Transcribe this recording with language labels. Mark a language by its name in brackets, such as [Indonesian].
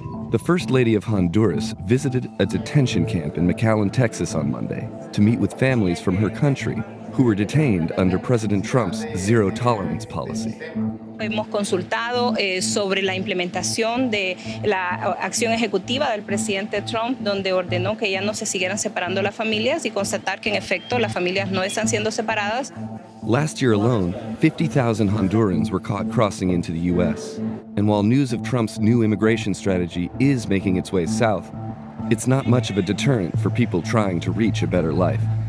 [English] The First Lady of Honduras visited a detention camp in McAllen, Texas on Monday to meet with families from her country who were detained under President Trump's zero-tolerance policy. [Spanish] Hemos consultado sobre la implementación de la acción ejecutiva del presidente Trump, donde ordenó que ya no se siguieran separando las familias y constatar que, en efecto, las familias no están siendo separadas. [English] Last year alone, 50,000 Hondurans were caught crossing into the U.S. And while news of Trump's new immigration strategy is making its way south, it's not much of a deterrent for people trying to reach a better life.